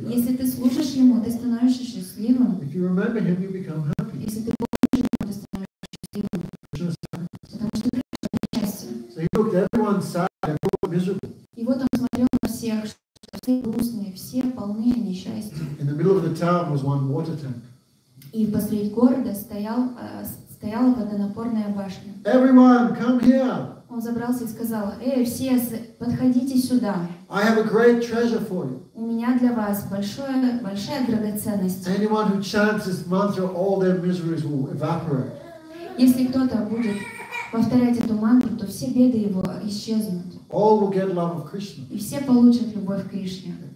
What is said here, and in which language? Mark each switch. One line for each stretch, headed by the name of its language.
Russian: Если ты служишь Ему, ты становишься счастливым. Если ты помнишь Ему, ты становишься счастливым. Потому что Кришна — счастье. И вот он смотрел на всех, что все грустные, все полны несчастья.
English: In the middle of the town was one water tank.
Russian: И посреди города стояла водонапорная башня.
English: Everyone, come here.
Russian: Он забрался и сказал: "Эй, все, подходите сюда.
English: I have a great treasure for you.
Russian: У меня для вас большая драгоценность.
English: Anyone who chants this mantra, all their miseries will evaporate.
Russian: Если кто-то будет повторять эту мантру, то все беды его исчезнут.
English: All will get love of Krishna.
Russian: И все получат любовь к Кришне.